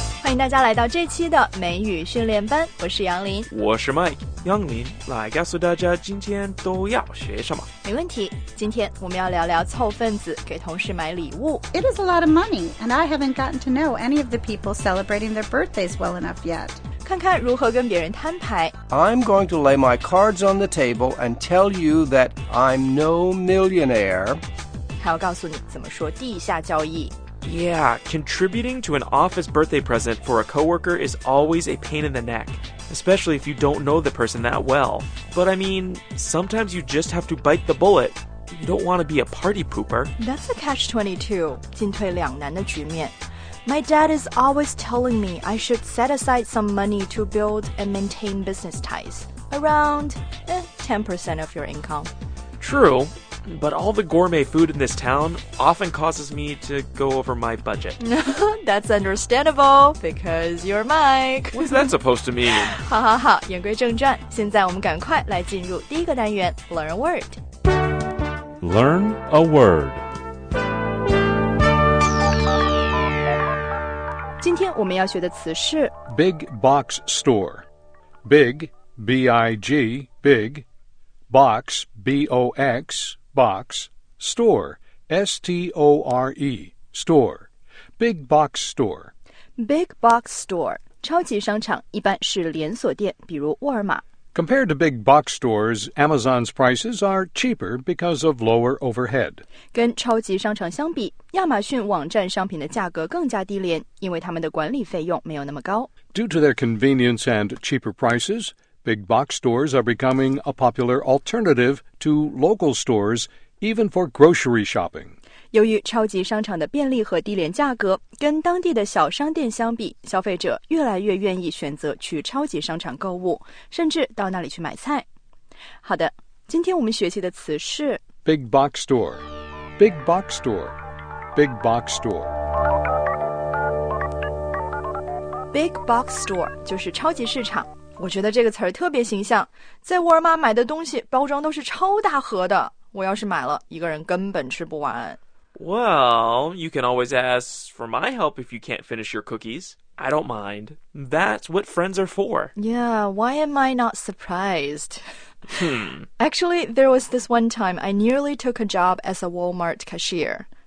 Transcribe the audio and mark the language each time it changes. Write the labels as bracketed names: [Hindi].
[Chinese] 迎大家来到这期的美语训练班，我是杨林，我是 Mike。杨林来告诉大家今天都要学什么。没问题，今天我们要聊聊凑份子给同事买礼物。 [English] It is a lot of money, and I haven't gotten to know any of the people celebrating their birthdays well enough yet. [Chinese] 看看如何跟别人摊牌。 [English] I'm going to lay my cards on the table and tell you that I'm no millionaire. [Chinese] 还要告诉你怎么说地下交易。 [English] Yeah, contributing to an office birthday present for a coworker is always a pain in the neck, especially if you don't know the person that well. But I mean, sometimes you just have to bite the bullet. You don't want to be a party pooper. That's a catch-22, [Chinese] 进退两难的局面。 [English] My dad is always telling me I should set aside some money to build and maintain business ties. Around 10% of your income. True, but all the gourmet food in this town often causes me to go over my budget. That's understandable, because you're Mike. What's that supposed to mean? [Chinese] 好好好，言归正传，现在我们赶快来进入第一个单元 Learn a Word. [English] Learn a Word. [Chinese] 今天我们要学的词是 [English] Big box store. Big, B-I-G, big. Box, B-O-X, box. Store, S-T-O-R-E, store. Big box store. Big box store. [Chinese] 超级商场一般是连锁店，比如沃尔玛。 [English] Compared to big box stores, Amazon's prices are cheaper because of lower overhead. [Chinese] 跟超级商场相比，亚马逊网站商品的价格更加低廉，因为他们的管理费用没有那么高。 [English] Due to their convenience and cheaper prices, big box stores are becoming a popular alternative to local stores, even for grocery shopping. [Chinese] 由于超级商场的便利和低廉价格，跟当地的小商店相比，消费者越来越愿意选择去超级商场购物，甚至到那里去买菜。好的，今天我们学习的词是 [English] Big box store, big box store, big box store. [Chinese] Big box store 就是超级市场。我觉得这个词儿特别形象，在沃尔玛买的东西包装都是超大盒的，我要是买了，一个人根本吃不完。 [English] Well, you can always ask for my help if you can't finish your cookies. I don't mind. That's what friends are for. Yeah, why am I not surprised? Hmm. Actually, there was this one time I nearly took a job as a Walmart cashier.